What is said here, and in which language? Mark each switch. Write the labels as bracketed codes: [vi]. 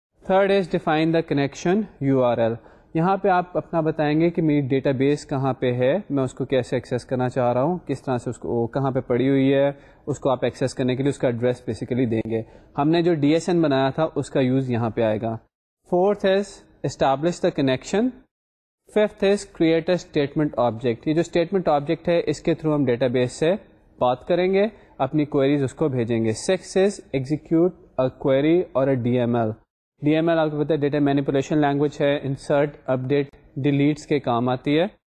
[en] Third is define the connection URL. [ur] یہاں پہ آپ اپنا بتائیں گے کہ میری ڈیٹا بیس کہاں پہ ہے, میں اس کو کیسے ایکسیس کرنا چاہ رہا ہوں, کس طرح سے اس کو کہاں پہ پڑی ہوئی ہے, اس کو آپ ایکسیس کرنے کے لیے اس کا ایڈریس بیسیکلی دیں گے. ہم نے جو ڈی ایس این بنایا تھا اس کا یوز یہاں پہ آئے گا. [en] Fourth is establish the connection. Fifth is create a statement object. [ur] یہ جو اسٹیٹمنٹ آبجیکٹ ہے اس کے تھرو ہم ڈیٹا بیس سے بات کریں گے, اپنی کوئریز اس کو بھیجیں گے. [en] Six is execute a query اور a D M L. [ur] D M L آپ کو پتا ہے ڈیٹا مینیپولیشن لینگویج ہے, انسرٹ اپ ڈیٹ ڈیلیٹس کے کام آتی ہے.